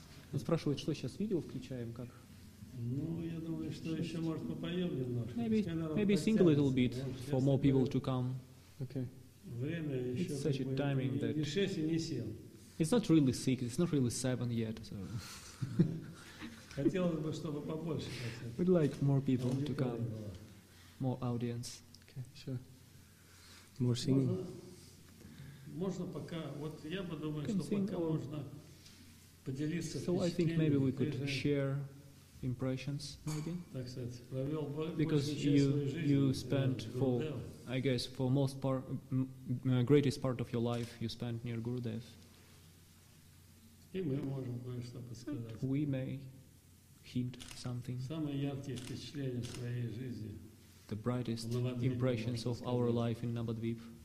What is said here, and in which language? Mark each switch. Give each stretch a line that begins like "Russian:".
Russian: Он спрашивает, что сейчас видео включаем, как? Ну, я думаю, что еще может попоем немножко.
English: Maybe sing a little bit for more people to come. Okay.
Russian: Время еще.
English: It's such a timing that.
Russian: Не 6 и не 7.
English: It's not really 6. It's not really 7 yet. So.
Russian: Хотелось бы, чтобы побольше.
English: We'd like more people to come, more audience. Okay, sure. More singing.
Russian: Можно пока, вот я бы думаю, что пока можно поделиться.
English: So I think maybe we could share impressions, maybe.
Russian: Так сказать, провел
English: Because you spent for, I guess, for most part, greatest part of your life, you spent near Gurudev.
Russian: И мы можем кое-что подсказать.
English: We may hint something.
Russian: Самые яркие впечатления своей жизни.
English: The brightest impressions of our life in Navadvip.